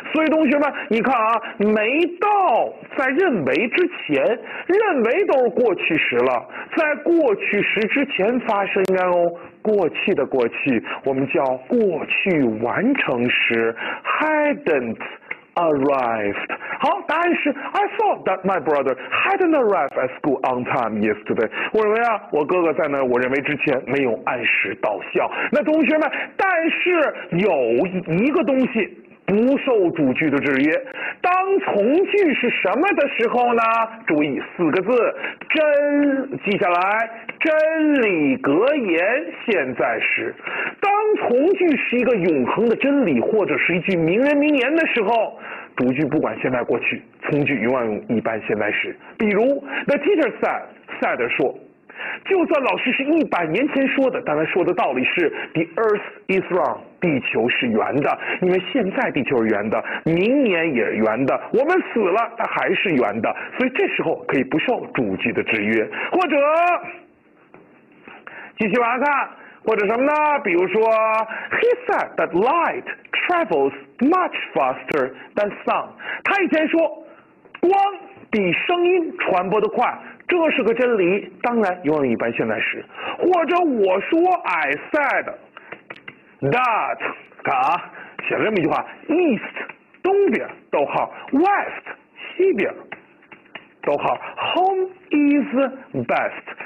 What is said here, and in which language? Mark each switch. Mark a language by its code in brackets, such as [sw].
[zh] 所以同学们你看啊，没到在认为之前，认为都是过去时了，在过去时之前发生应该用过去的过去，我们叫过去完成时 [en] hadn't arrived。 [zh] 好，答案是 [en] I thought that my brother hadn't arrived at school on time yesterday。 [zh] 我认为啊，我哥哥在那我认为之前没有按时到校。那同学们，但是有一个东西不受主句的制约，当从句是什么的时候呢？注意四个字，真，记下来，真理格言现在时。当从句是一个永恒的真理或者是一句名人名言的时候，主句不管现在过去，从句永远用一般现在时。比如 [en] The teacher said， [zh] said 说，就算老师是一百年前说的，但他说的道理是 [en] The earth is round， [zh] 地球是圆的，因为现在地球是圆的，明年也圆的，我们死了它还是圆的，所以这时候可以不受主机的制约，或者继续往下看，或者什么呢？比如说 [en] ，He said that light travels much faster than sound。 [zh] 他以前说，光比声音传播的快，这是个真理，当然用了一般现在时。或者我说 ， [en] I said that， [zh] 看啊，写了这么一句话 ：East 东边，逗号 ，West 西边，逗号 ， [en] Home is best。